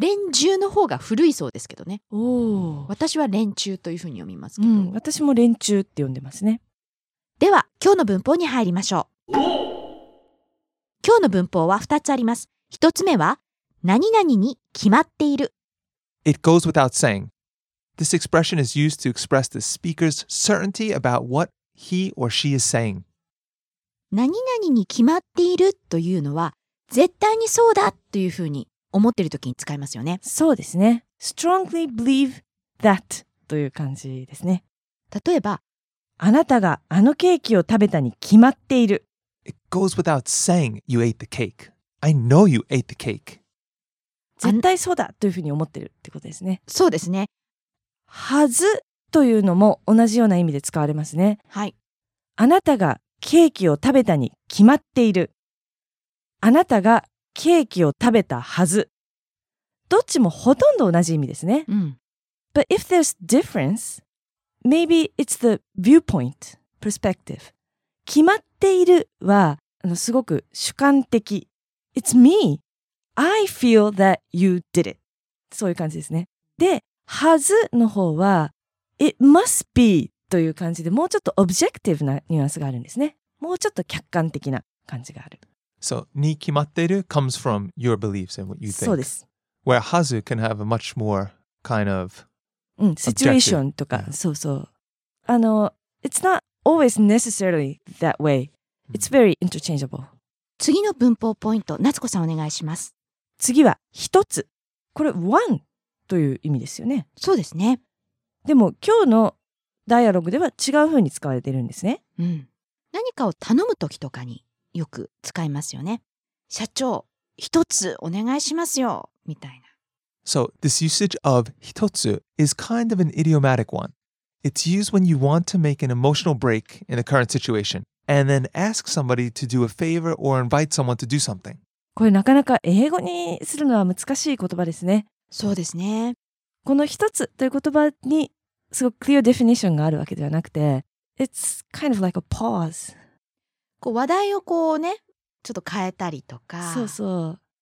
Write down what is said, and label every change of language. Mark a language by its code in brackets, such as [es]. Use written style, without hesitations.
[ja] 連中の方が古いそうですけどね。お、私は連中というふうに読みますけど、うん、私も連中って読んでますね。では今日の文法に入りましょう。今日の文法は2つあります。 1つ目は何々に決まっている。 [en] It goes without saying. This expression is used to express the speaker's certainty about what he or she is saying. [ja] 何々に決まっているというのは絶対にそうだというふうに思っているときに使いますよね。そうですね。 [en] Strongly believe that [ja] という感じですね。例えばあなたがあのケーキを食べたに決まっている。 [en] It goes without saying you ate the cake. I know you ate the cake. [ja] 絶対そうだというふうに思ってるってことですね。そうですね。はずというのも同じような意味で使われますね。はい。あなたがケーキを食べたに決まっている。あなたがケーキを食べたはず。どっちもほとんど同じ意味ですね。うん。 [en] But if there's difference... Maybe it's the viewpoint, perspective. [ja] 決まっているはすごく主観的。 [en] It's me. I feel that you did it. [ja] そういう感じですね。で、はずの方は [en] It must be [ja] という感じで、もうちょっとオブジェクティブなニュアンスがあるんですね。もうちょっと客観的な感じがある。 [en] So, に決まっている comes from your beliefs and what you think. [ja] そうです。 [en] Where はず can have a much more kind of [ja] うん、シチュエーションとか、 [en] Objective. [ja] そうそう。あの、 [en] It's not always necessarily that way. It's very interchangeable. [ja] 次の文法ポイント、夏子さんお願いします。次は、一つ。これ、one という意味ですよね。そうですね。でも、今日のダイアログでは違うふうに使われているんですね。うん。何かを頼むときとかによく使いますよね。社長、一つお願いしますよ、みたいな。 [en] So this usage of hitotsu is kind of an idiomatic one. It's used when you want to make an emotional break in the current situation and then ask somebody to do a favor or invite someone to do something. [ja] これなかなか英語にするのは難しい言葉ですね。そうですね。この一つという言葉にすごく [en] clear definition [ja] があるわけではなくて、 [en] It's kind of like a pause. [ja] こう話題をこうね、ちょっと変えたりとか。そうそう。